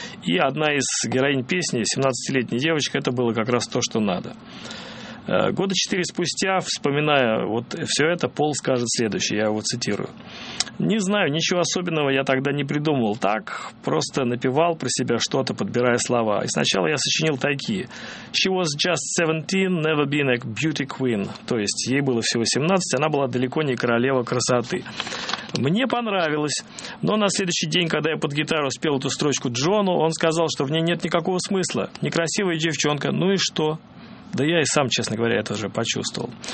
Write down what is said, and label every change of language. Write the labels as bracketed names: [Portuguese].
[Russian] И одна из героинь песни, 17-летняя девочка, это было как раз то, что надо. Года четыре спустя, вспоминая вот все это, Пол скажет следующее, я его цитирую. «Не знаю, ничего особенного я тогда не придумывал так, просто напевал про себя что-то, подбирая слова. И сначала я сочинил такие. [English] She was just 17, never been a beauty queen». [Russian] То есть ей было всего 17, она была далеко не королева красоты. Мне понравилось, но на следующий день, когда я под гитару спел эту строчку Джону, он сказал, что в ней нет никакого смысла. Некрасивая девчонка, ну и что? Да я и сам, честно говоря, это уже почувствовал.